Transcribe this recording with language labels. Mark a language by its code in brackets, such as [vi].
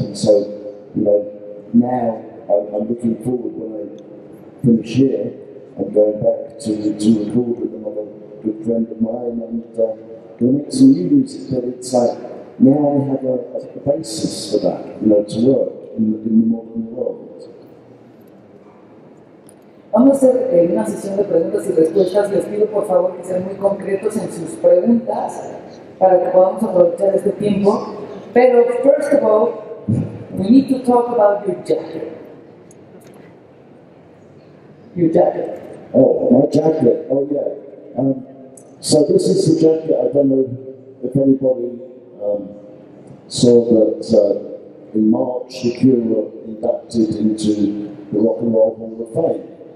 [en] And so, now I'm looking forward when I finish here, I'm going back to record with another good friend of mine and we'll make some new music, but it's like, now I have a basis for that, to work in the modern world. [es] Vamos a hacer una sesión de preguntas y respuestas. Les pido por favor que sean muy concretos en sus preguntas para que podamos aprovechar este tiempo. [en] Pero, first of all, we need to talk about your jacket. Your jacket. Oh, my jacket. Oh, yeah. So this is the jacket. I don't know if anybody saw that in March, The Cure were inducted into the Rock and Roll Hall of Fame.